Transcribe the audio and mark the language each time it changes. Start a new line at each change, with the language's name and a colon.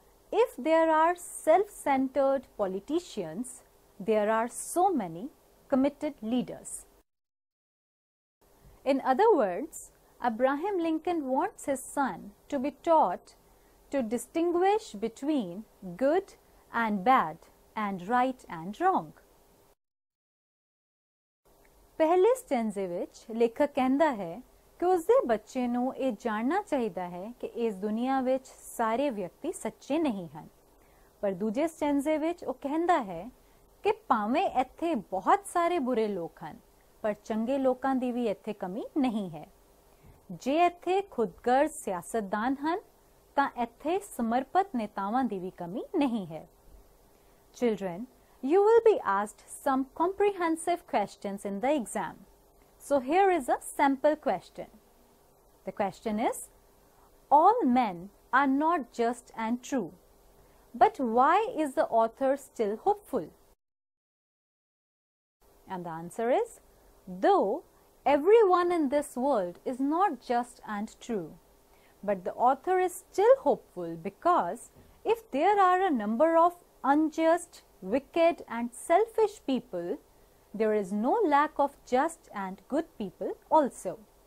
English: If there are self-centered politicians, there are so many committed leaders. In other words, Abraham Lincoln wants his son to be taught to distinguish between good and bad and right and wrong.
Punjabi: ਪਹਿਲੇ ਸਟੈਂਜ਼ੇ ਵਿੱਚ ਲੇਖਕ ਕਹਿੰਦਾ ਹੈ ਕਿ ਉਸਦੇ ਬੱਚੇ ਨੂੰ ਇਹ ਜਾਣਨਾ ਚਾਹੀਦਾ ਹੈ ਕਿ ਇਸ ਦੁਨੀਆ ਵਿੱਚ ਸਾਰੇ ਵਿਅਕਤੀ ਸੱਚੇ ਨਹੀਂ ਹਨ। ਪਰ ਦੂਜੇ ਸਟੈਂਜ਼ੇ ਵਿੱਚ ਉਹ ਕਹਿੰਦਾ ਹੈ ਕਿ ਭਾਵੇਂ ਇੱਥੇ ਬਹੁਤ ਸਾਰੇ ਬੁਰੇ ਲੋਕ ਹਨ, ਪਰ ਚੰਗੇ ਲੋਕਾਂ ਦੀ ਵੀ ਇੱਥੇ ਕਮੀ ਨਹੀਂ ਹੈ। ਜੇ ਇੱਥੇ ਖੁਦਗਰਜ਼ ਸਿਆਸਤਦਾਨ ਹਨ ਤਾਂ ਇੱਥੇ ਸਮਰਪਿਤ ਨੇਤਾਵਾਂ ਦੀ ਵੀ ਕਮੀ ਨਹੀਂ ਹੈ।
English: Children, you will be asked some comprehensive questions in the exam. So here is a sample question. The question is, all men are not just and true, but why is the author still hopeful? And the answer is, though everyone in this world is not just and true, but the author is still hopeful, because if there are a number of unjust, wicked and selfish people, there is no lack of just and good people also.